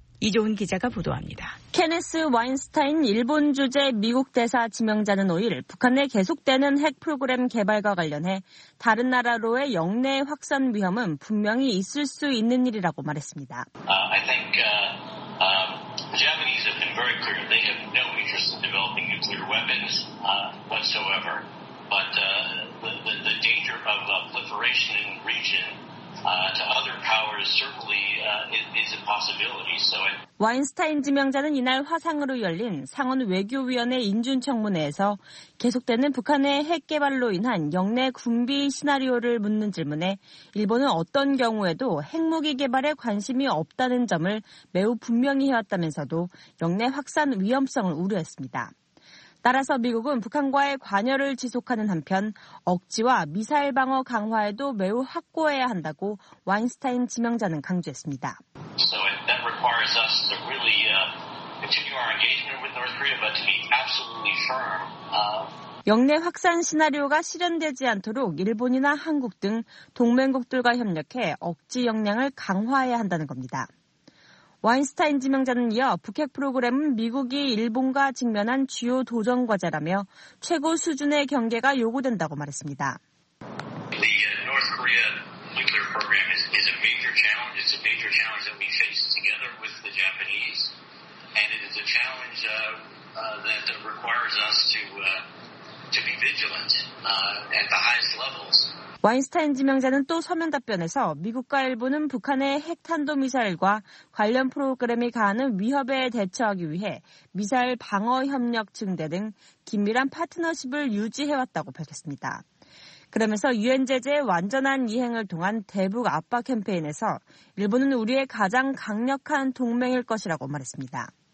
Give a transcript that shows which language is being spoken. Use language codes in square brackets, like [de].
[ko] 이종훈 기자가 보도합니다. 케네스 와인스타인 일본 주재 미국 대사 지명자는 5일 북한 내 계속되는 핵 프로그램 개발과 관련해 다른 나라로의 역내 확산 위험은 분명히 있을 수 있는 일이라고 말했습니다. [en] Japanese have been very clear. They have no interest in developing nuclear weapons whatsoever. But the danger of proliferation in the region to other powers certainly is a possibility. So [ko] 와인스타인 지명자는 이날 화상으로 열린 상원 외교위원회 인준청문회에서 계속되는 북한의 핵 개발로 인한 역내 군비 시나리오를 묻는 질문에 일본은 어떤 경우에도 핵무기 개발에 관심이 없다는 점을 매우 분명히 해왔다면서도 역내 확산 위험성을 우려했습니다. 따라서 미국은 북한과의 관여를 지속하는 한편 억지와 미사일 방어 강화에도 매우 확고해야 한다고 와인스타인 지명자는 강조했습니다. [en] So that requires us to really continue our engagement with North Korea, but to be absolutely firm. [ko] 역내 확산 시나리오가 실현되지 않도록 일본이나 한국 등 동맹국들과 협력해 억지 역량을 강화해야 한다는 겁니다. 와인스타인 지명자는 이어 북핵 프로그램은 미국이 일본과 직면한 주요 도전 과제라며 최고 수준의 경계가 요구된다고 말했습니다. [en] The North Korea nuclear program is a major challenge. It's a major challenge that we face together with the Japanese. And it is a challenge that requires us to be vigilant at the highest levels. [ko] 와인스타인 지명자는 또 서면 답변에서 미국과 일본은 북한의 핵탄도미사일과 관련 프로그램이 가하는 위협에 대처하기 위해 미사일 방어협력 증대 등 긴밀한 파트너십을 유지해왔다고 밝혔습니다. 그러면서 유엔 제재 완전한 이행을 통한 대북 압박 캠페인에서 일본은 우리의 가장 강력한 동맹일 것이라고 말했습니다.